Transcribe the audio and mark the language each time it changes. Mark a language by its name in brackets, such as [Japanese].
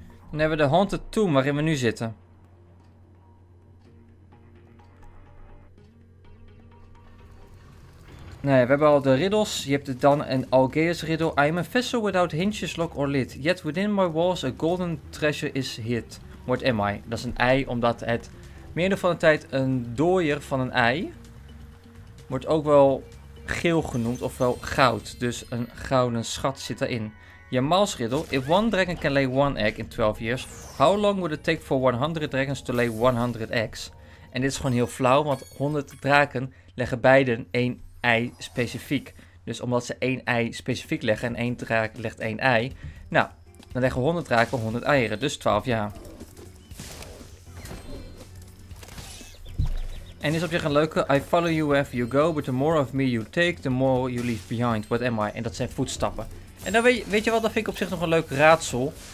[Dutch] Dan hebben we de Haunted Tomb waarin we nu zitten. Nee, we hebben al de riddles. Je hebt dan een Algeus riddel. [English] I am a vessel without hinges, lock or lid. Yet within my walls a golden treasure is hid. What am I? [Dutch] Dat is een ei, omdat het meer van de tijd een dooier van een ei. Wordt ook wel geel genoemd, ofwel goud. Dus een gouden schat zit daarin. [English] Jamal's riddle, if one dragon can lay one egg in 12 years, how long would it take for 100 dragons to lay 100 eggs? [Dutch] En dit is gewoon heel flauw, want 100 draken leggen beiden één ei specifiek. Dus omdat ze één ei specifiek leggen en één draak legt één ei, nou, dan leggen 100 draken 100 eieren, dus 12 jaar. En is op zich een leuke. [English] I follow you wherever you go, but the more of me you take, the more you leave behind. What am I? [Dutch] En dat zijn voetstappen. En dan weet je wat, dat vind ik op zich nog een leuk raadsel.